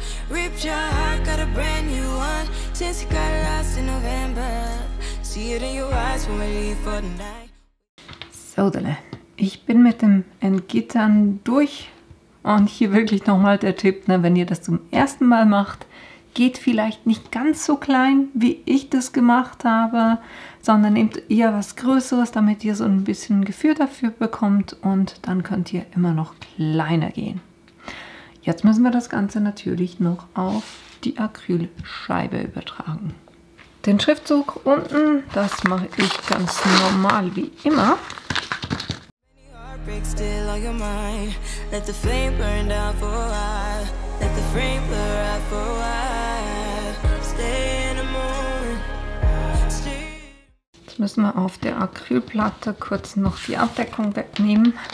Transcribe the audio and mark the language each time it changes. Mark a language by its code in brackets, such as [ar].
[en] Ripped your heart, got a brand new one. Since you got lost in November. See it in your eyes when we leave for the night. [de] So, Dele. Ich bin mit dem Entgittern durch. Und hier wirklich nochmal der Tipp, ne, wenn ihr das zum ersten Mal macht, geht vielleicht nicht ganz so klein, wie ich das gemacht habe, sondern nehmt eher was Größeres, damit ihr so ein bisschen Gefühl dafür bekommt und dann könnt ihr immer noch kleiner gehen. Jetzt müssen wir das Ganze natürlich noch auf die Acrylscheibe übertragen. Den Schriftzug unten, das mache ich ganz normal wie immer. [en] Break still on your mind. Let the flame burn down for a while. Let the flame blur out for a while. Stay in the moon. Stay. [de] Jetzt müssen wir auf der Acrylplatte kurz noch die Abdeckung wegnehmen.